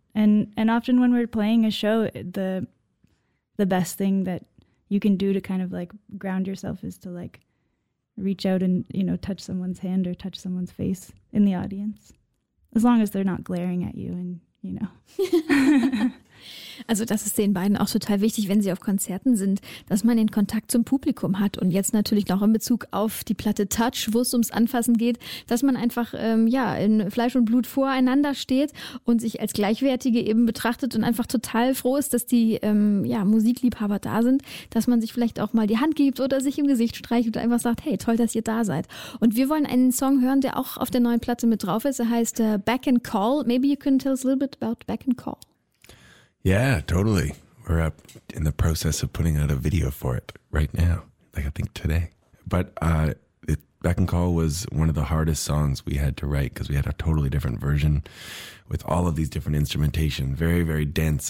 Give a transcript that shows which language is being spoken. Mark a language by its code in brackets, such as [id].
[en] And often when we're playing a show, the best thing that you can do to kind of like ground yourself is to like reach out and, you know, touch someone's hand or touch someone's face in the audience. As long as they're not glaring at you and, you know. [de] Also das ist den beiden auch total wichtig, wenn sie auf Konzerten sind, dass man den Kontakt zum Publikum hat und jetzt natürlich noch in Bezug auf die Platte Touch, wo es ums Anfassen geht, dass man einfach in Fleisch und Blut voreinander steht und sich als Gleichwertige eben betrachtet und einfach total froh ist, dass die Musikliebhaber da sind, dass man sich vielleicht auch mal die Hand gibt oder sich im Gesicht streichelt oder einfach sagt, hey, toll, dass ihr da seid. Und wir wollen einen Song hören, der auch auf der neuen Platte mit drauf ist. Er heißt Back and Call. [en] Maybe you can tell us a little bit about Back and Call. Yeah, totally. We're up in the process of putting out a video for it right now, like I think today. But Back and Call was one of the hardest songs we had to write because we had a totally different version with all of these different instrumentation, very, very dense.